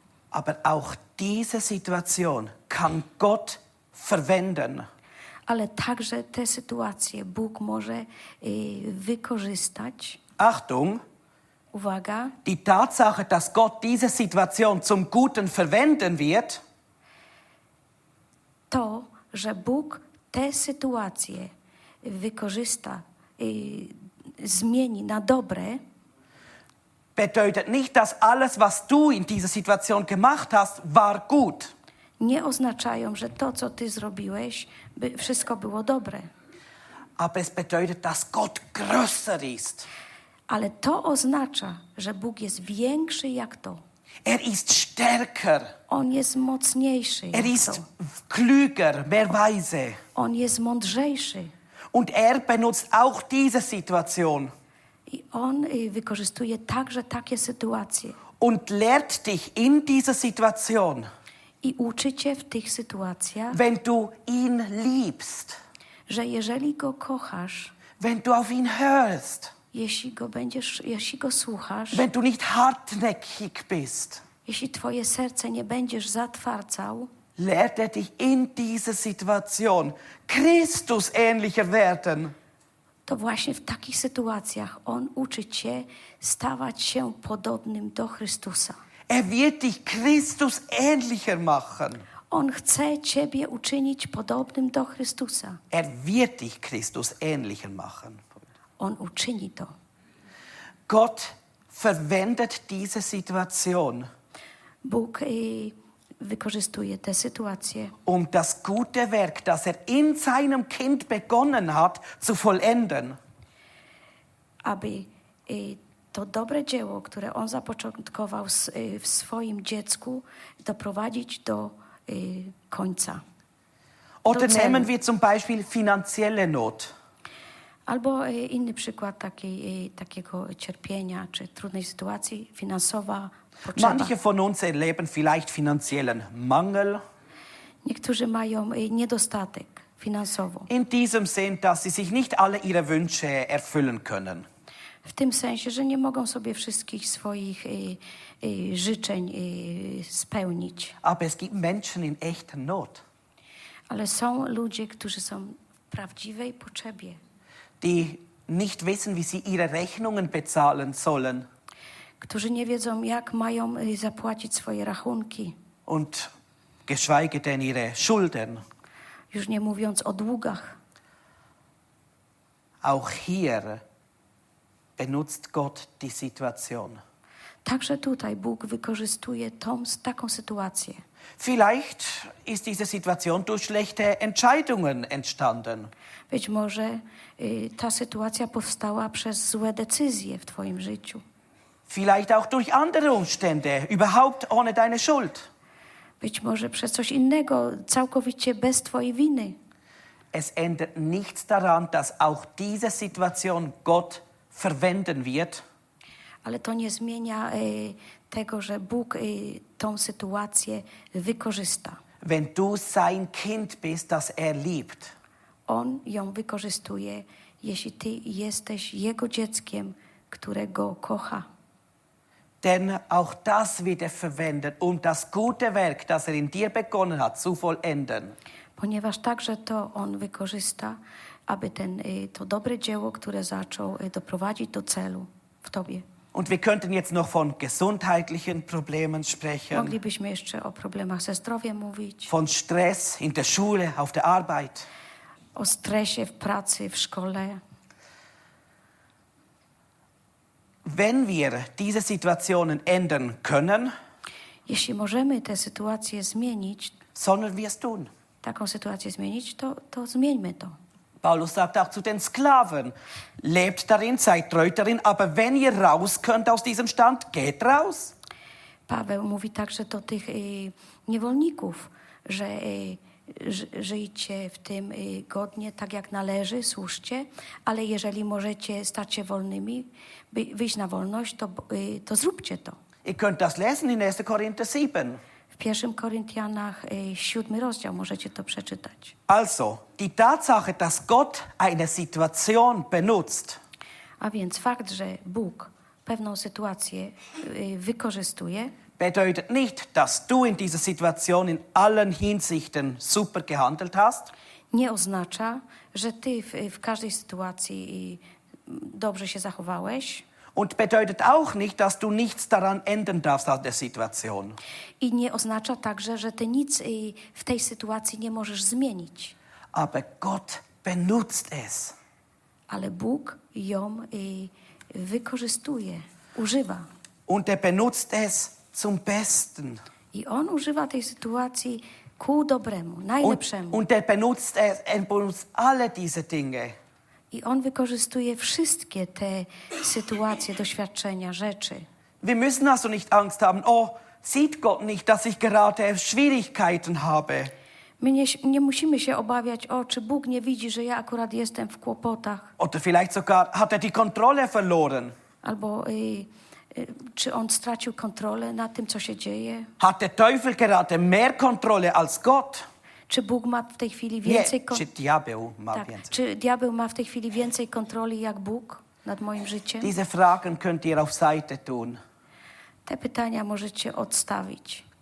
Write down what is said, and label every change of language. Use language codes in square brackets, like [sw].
[de] Aber auch diese Situation kann Gott verwenden. [pl] Ale także te sytuacje Bóg może wykorzystać. [de] Achtung! [pl] Uwaga! [de] Die Tatsache, dass Gott diese Situation zum Guten verwenden wird, [pl] to, że Bóg te sytuacje wykorzysta, zmieni na dobre, [de] bedeutet nicht, dass alles, was du in dieser Situation gemacht hast, war gut. [pl] Nie oznaczają, że to, co ty zrobiłeś, wszystko było dobre. [de] Aber es bedeutet, dass Gott größer ist. [pl] Ale to oznacza, że Bóg jest większy jak to. [de] Er ist stärker. [pl] On jest mocniejszy. [de] Er ist klüger, mehr weise. [pl] On jest mądrzejszy. [de] Und er benutzt auch diese Situation. [pl] I on wykorzystuje także takie sytuacje. [de] Und lehrt dich in dieser Situation. [pl] I uczy cię w tych sytuacjach. [de] Wenn du ihn liebst. [pl] Że jeżeli go kochasz. [de] Wenn du auf ihn hörst. [pl] Jeśli go słuchasz. [de] Wenn du nicht hartnäckig bist. [pl] Jeśli twoje serce nie będziesz zatwardzał. [de] Lehrt er dich in dieser Situation Christus-ähnlicher werden. [pl] To właśnie w takich sytuacjach on uczy cię stawać się podobnym do Chrystusa. [de] Er wird dich Christus-ähnlicher machen. [pl] On chce ciebie uczynić podobnym do Chrystusa. [de] Er wird dich Christus-ähnlicher machen. [pl] On uczyni to. [de] Gott verwendet diese Situation. [pl] Bóg wykorzystuje te sytuacje. [de] Um das gute Werk, das er in seinem Kind begonnen hat, zu vollenden. [pl] Aby to dobre dzieło, które on zapoczątkował w swoim dziecku, doprowadzić do końca. [de] Oder nehmen wir zum Beispiel finanzielle Not. [pl] Albo inny przykład takiego cierpienia czy trudnej sytuacji finansowa. Potrzeba. [de] Manche von uns erleben vielleicht finanziellen Mangel. [pl] Niektórzy mają niedostatek finansowy. [de] In diesem Sinn, dass sie sich nicht alle ihre Wünsche erfüllen können. [pl] W tym sensie, że nie mogą sobie wszystkich swoich życzeń spełnić. [de] Aber es gibt Menschen in echter Not. [pl] Ale są ludzie, którzy są w prawdziwej potrzebie. [de] Die nicht wissen, wie sie ihre Rechnungen bezahlen sollen. [pl] Którzy nie wiedzą, jak mają zapłacić swoje rachunki. [de] Und geschweige denn ihre Schulden. [pl] Już nie mówiąc o długach. [de] Auch hier benutzt Gott die Situation. [pl] Także tutaj Bóg wykorzystuje taką sytuację. [de] Vielleicht ist diese Situation durch schlechte Entscheidungen entstanden. [pl] Być może ta sytuacja powstała przez złe decyzje w twoim życiu. [de] Vielleicht auch durch andere Umstände, überhaupt ohne deine Schuld. [pl] Być może przez coś innego, całkowicie bez twojej winy. [de] Es ändert nichts daran, dass auch diese Situation Gott verwenden wird. [pl] Ale to nie zmienia tego, że Bóg tą sytuację wykorzysta. [de] Wenn du sein Kind bist, das liebt. [pl] On ją wykorzystuje, jeśli ty jesteś jego dzieckiem, które go kocha. [de] Denn auch das wird verwendet, das gute Werk, das in dir begonnen hat, zu vollenden. [pl] Ponieważ także to on wykorzysta, aby to dobre dzieło, które zaczął, doprowadzić do celu w tobie. [de] Und wir könnten jetzt noch von gesundheitlichen Problemen sprechen. [pl] Moglibyśmy jeszcze o problemach ze zdrowiem mówić. [de] Von Stress in der Schule, auf der Arbeit. [pl] O stresie w pracy, w szkole. [de] Wenn wir diese Situationen ändern können, [pl] jeśli możemy te sytuacje zmienić, [de] sollen wir es tun. [pl] Taką sytuację zmienić, to zmieńmy to. [de] Paulus sagt auch zu den Sklaven, lebt darin, seid treu darin, aber wenn ihr raus könnt aus diesem Stand, geht raus. [pl] Paweł mówi także do tych niewolników, że żyjcie w tym godnie, tak jak należy, słuszcie, ale jeżeli możecie stać się wolnymi, wyjść na wolność, to zróbcie to. [de] Ihr könnt das lesen in 1. Korinther 7. [pl] W 1 Koryntianach 7 rozdział możecie to przeczytać. [de] Also, die Tatsache, dass Gott eine Situation benutzt. [pl] A więc fakt, że Bóg pewną sytuację wykorzystuje, [de] bedeutet nicht, dass du in dieser Situation in allen Hinsichten super gehandelt hast. [pl] Nie oznacza, że ty w każdej sytuacji dobrze się zachowałeś. [de] Und bedeutet auch nicht, dass du nichts daran ändern darfst an der Situation. [pl] I nie oznacza także, że ty nic w tej sytuacji nie możesz zmienić. [de] Aber Gott benutzt es. [pl] Ale Bóg ją wykorzystuje, używa. [de] Und benutzt es zum Besten. [pl] I on używa tej sytuacji ku dobremu, najlepszemu. [de] Und benutzt es, benutzt alle diese Dinge. [pl] I on wykorzystuje wszystkie te sytuacje, doświadczenia, rzeczy. [de] Wir müssen also nicht Angst haben. Oh, sieht Gott nicht, dass ich gerade Schwierigkeiten habe. [pl] My nie musimy się obawiać, czy Bóg nie widzi, że ja akurat jestem w kłopotach. [de] Oder vielleicht sogar hat die Kontrolle verloren. [pl] Albo czy on stracił kontrolę nad tym, co się dzieje? [de] Hat der Teufel gerade mehr Kontrolle als Gott? [pl] Czy Bóg ma w tej chwili więcej kontroli? Czy diabeł ma w tej chwili więcej kontroli jak Bóg nad moim życiem? [de] Diese Fragen könnt ihr auf Seite tun. [pl] Te pytania możecie odstawić.